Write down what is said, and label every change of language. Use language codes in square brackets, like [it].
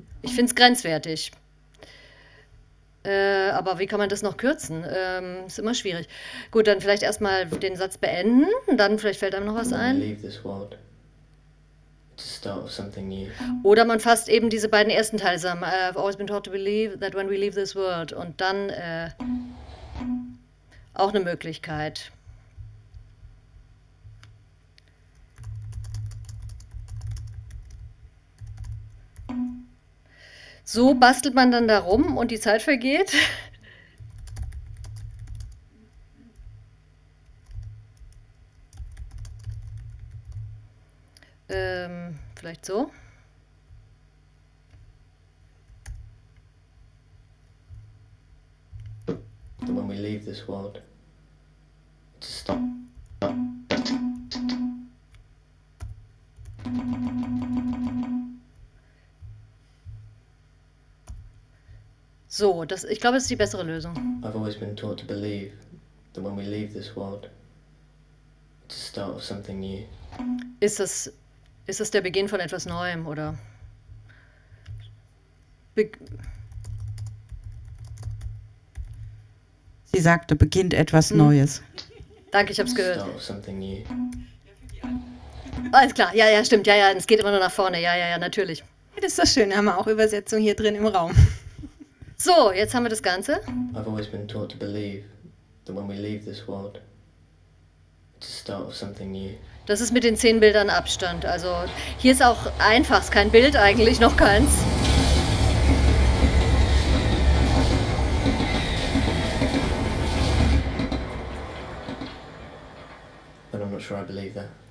[de] Ich finde es grenzwertig. Aber wie kann man das noch kürzen? Ist immer schwierig. Gut, dann vielleicht erstmal den Satz beenden, dann vielleicht fällt einem noch was [en] When we [de] ein. [en] leave this world, to start with something new. [de] Oder man fasst eben diese beiden ersten Teile zusammen. [en] I've always been taught to believe that when we leave this world. [de] Und dann auch eine Möglichkeit. So bastelt man dann da rum und die Zeit vergeht. Vielleicht so. [en] When we leave this world, to stop. [de] So, das, ich glaube, das ist die bessere Lösung. I've always been taught to believe that when we leave this world, it's the start of something new. Ist das der Beginn von etwas Neuem oder? Sie sagte, beginnt etwas Neues. Danke, ich hab's gehört. Alles klar, ja, stimmt. Ja, es geht immer nur nach vorne. Ja, natürlich. Das ist doch schön, da haben wir auch Übersetzung hier drin im Raum. So, jetzt haben wir das Ganze. [en] I've always been taught to believe that when we leave this world, it's the start of something new. [de] Das ist mit den 10 Bildern Abstand. Also, hier ist auch einfach, ist kein Bild eigentlich, noch keins. [en] Sure I believe that.